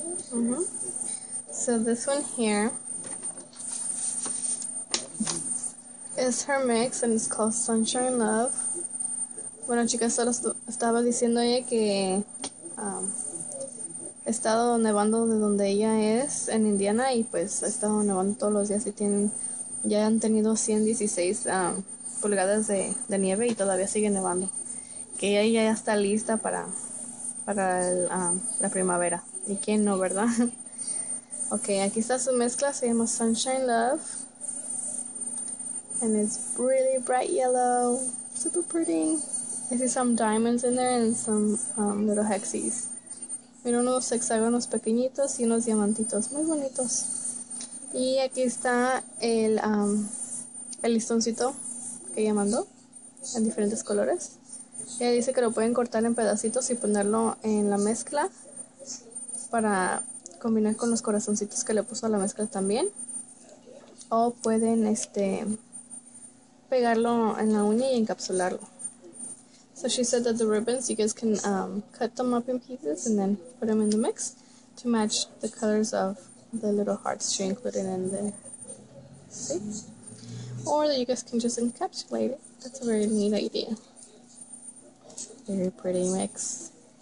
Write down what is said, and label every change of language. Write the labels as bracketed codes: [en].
[en] Mm-hmm. So this one here is her mix and it's called Sunshine Love. [es] Bueno, chicas, solo estaba diciendo ella que ha estado nevando de donde ella es en Indiana y pues ha estado nevando todos los días y tienen, ya han tenido 116 pulgadas de nieve y todavía sigue nevando. Que ella ya está lista para el, la primavera. ¿Y quién no, verdad? Okay, aquí está su mezcla, se llama Sunshine Love. [en] And it's really bright yellow, super pretty. I see some diamonds in there and some little hexies. [es] Mira unos hexágonos pequeñitos y unos diamantitos, muy bonitos. Y aquí está el listoncito que ella mandó en diferentes colores. Ella dice que lo pueden cortar en pedacitos y ponerlo en la mezcla para combinar con los corazoncitos que le puso a la mezcla también. O pueden pegarlo en la uña y encapsularlo. [en] So she said that the ribbons, you guys can cut them up in pieces and then put them in the mix to match the colors of the little hearts she included in there. See? Or that you guys can just encapsulate it. That's a very neat idea. Very pretty mix.